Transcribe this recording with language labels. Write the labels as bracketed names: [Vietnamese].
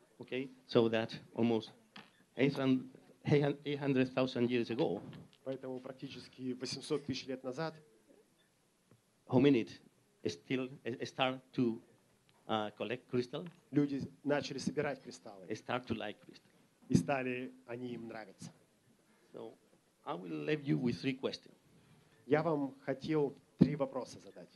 [English] Okay, so that almost 800,000 years ago. [Russian] Поэтому практически 800 тысяч лет назад. [English] Hominid still start to collect crystal. [Russian] Люди начали собирать кристаллы. [English] Start to like crystal. [Russian] И стали они им нравиться. [English] So I will leave you with three questions. [Russian] Я вам хотел три вопроса задать.